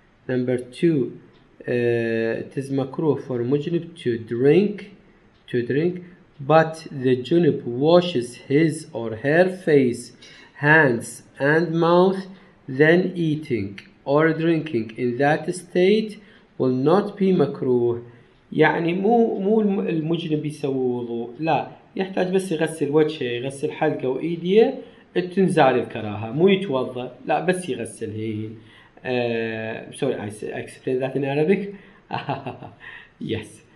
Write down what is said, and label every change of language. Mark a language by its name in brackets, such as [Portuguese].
[English] Number 2, it is makruh for mujnib to drink, but the junub washes his or her face, hands and mouth, then eating or drinking in that state will not be makruh. [Arabic] يعني مو المجنب يسوي وضوء، لا، يحتاج بس يغسل وجهه، يغسل حلقه وايديه تنزع الكراهه، مو يتوضا، لا بس يغسل هين. [English] sorry, I explained that in Arabic. Yes.